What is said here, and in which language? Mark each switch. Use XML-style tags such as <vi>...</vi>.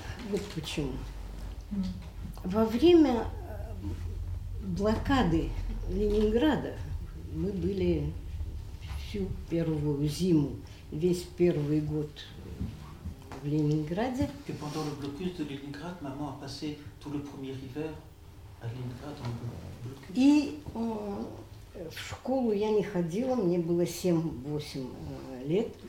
<ru>Вот почему. Во время блокады Ленинграда мы были всю первую зиму, весь первый год в Ленинграде.</ru> <fr>Que pendant le blocus de Ленинград, maman a passé tout le premier hiver à Ленинград en blocus.</fr> <ru>И в школу я не ходила, мне было 7-8 лет.</ru>